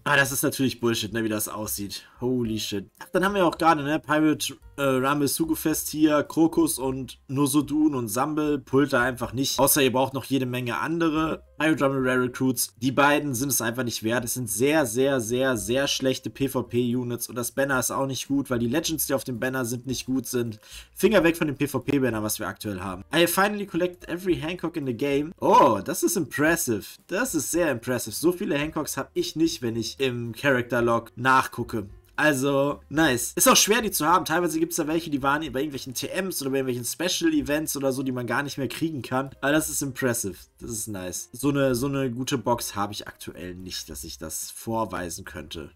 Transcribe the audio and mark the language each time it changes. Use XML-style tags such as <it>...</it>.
<de>Aber das ist natürlich Bullshit, ne, wie das aussieht.</de> <en>Holy shit.</en> <de>Ach, dann haben wir auch gerade, ne, Pirate Ramesugufest hier, Krokus und Nosodun und Sambel pullt da einfach nicht. Außer ihr braucht noch jede Menge andere Pirate Ramel Rare Recruits. Die beiden sind es einfach nicht wert. Es sind sehr, sehr, sehr, sehr schlechte PvP-Units. Und das Banner ist auch nicht gut, weil die Legends, die auf dem Banner sind, nicht gut sind. Finger weg von dem PvP-Banner, was wir aktuell haben.</de> <en>I finally collect every Hancock in the game.</en> <de>Oh, das ist impressive. Das ist sehr impressive. So viele Hancocks habe ich nicht, wenn ich im Character-Log nachgucke. Also, nice. Ist auch schwer, die zu haben. Teilweise gibt es da welche, die waren bei irgendwelchen TMs oder bei irgendwelchen Special-Events oder so, die man gar nicht mehr kriegen kann. Aber das ist impressive. Das ist nice. So eine gute Box habe ich aktuell nicht, dass ich das vorweisen könnte.</de>